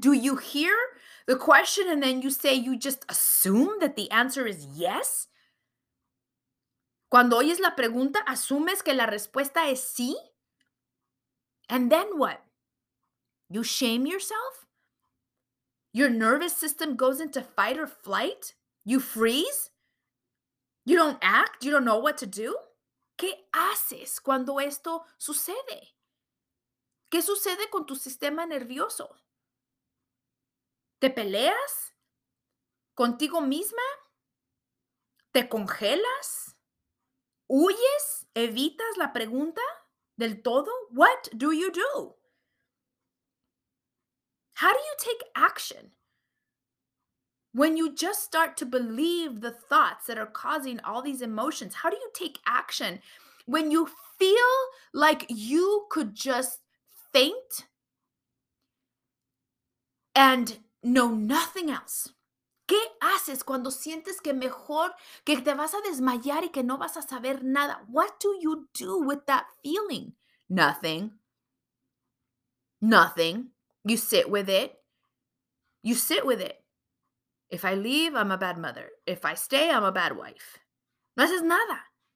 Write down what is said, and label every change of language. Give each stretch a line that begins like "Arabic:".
English: Do you hear the question and then you say you just assume that the answer is yes?
Spanish: Cuando oyes la pregunta, ¿asumes que la respuesta es sí?
English: And then what? You shame yourself? Your nervous system goes into fight or flight? You freeze? You don't act? You don't know what to do?
Spanish: ¿Qué haces cuando esto sucede? ¿Qué sucede con tu sistema nervioso? ¿Te peleas contigo misma? ¿Te congelas? ¿Huyes? ¿Evitas la pregunta del todo?
English: What do you do? How do you take action when you just start to believe the thoughts that are causing all these emotions? How do you take action when you feel like you could just faint and know nothing else?
Spanish: ¿Qué haces cuando sientes que mejor que te vas a desmayar y que no vas a saber nada?
English: What do you do with that feeling? Nothing. Nothing. You sit with it. You sit with it. If I leave, I'm a bad mother. If I stay, I'm a bad wife.
Spanish: No haces nada.